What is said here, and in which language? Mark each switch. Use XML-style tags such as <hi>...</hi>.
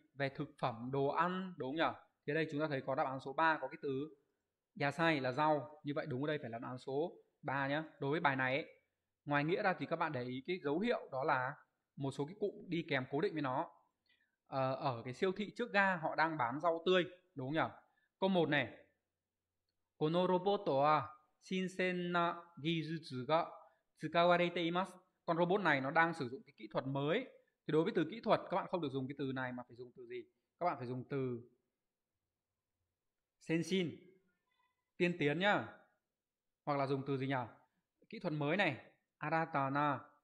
<vi>Về thực phẩm, đồ ăn đúng nhỉ? Thế đây chúng ta thấy có đáp án số 3 có cái từ nhà sai là rau. Như vậy đúng ở đây phải là đáp án số 3 nhé. Đối với bài này ấy, ngoài nghĩa ra thì các bạn để ý cái dấu hiệu đó là một số cái cụm đi kèm cố định với nó. Ở cái siêu thị trước ga họ đang bán rau tươi đúng nhỉ? Câu 1 này.</vi> <ja>このロボットは新鮮な技術が使われています.</ja> <vi>Con robot này nó đang sử dụng cái kỹ thuật mới. Thì đối với từ kỹ thuật các bạn không được dùng cái từ này mà phải dùng từ gì? Các bạn phải dùng từ Senshin, tiên tiến nhá. Hoặc là dùng từ gì nhỉ? Kỹ thuật mới này, Aratana.</vi>